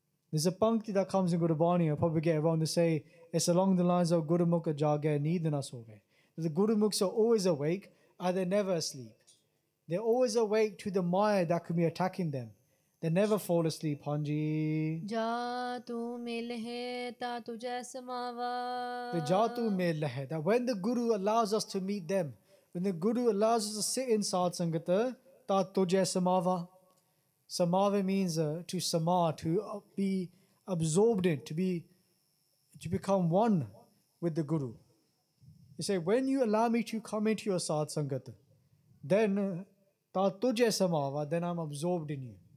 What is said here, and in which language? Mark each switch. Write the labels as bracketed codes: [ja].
[en] There's a pankti that comes in Gurubani, I'll probably get it wrong, to say, it's along the lines of [pa] Gurumukha jage nidana sove. [en] The Gurumukhs are always awake, and they're never asleep. They're always awake to the maya that could be attacking them. They never fall asleep, Hanji. [pa] Ja ਤੂੰ ਮਿਲਹਿ ਤਾ ਤੁਜੈ ਸਮਾਵਾ, ਤੇ ਜਾ ਤੂੰ ਮਿਲਹਿ ਦਾ [en] when the Guru allows us to meet them, when the Guru allows us to sit in Sadh Sangat [pa] ਤਾ ਤੁਜੈ ਸਮਾਵਾ. [en] Samava means to be absorbed in, to become one with the Guru. You say, when you allow me to come into your sadh sangat, then [pa] ta tujhe samava, [en] then I'm absorbed in you.